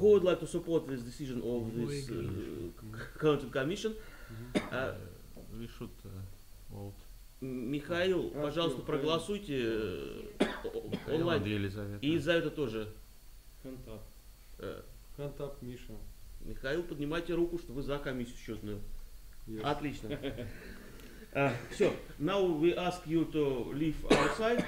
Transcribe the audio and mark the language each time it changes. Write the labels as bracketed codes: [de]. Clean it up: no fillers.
[en] Who would like to support this decision of this counting commission? We should vote. [ru] Михаил, пожалуйста, проголосуйте онлайн. И Елизавета тоже. Хантап, Миша. Михаил, поднимайте руку, что вы за комиссию счетную. [en] Yes. [ru] Отлично. [en] So, now we ask you to leave outside.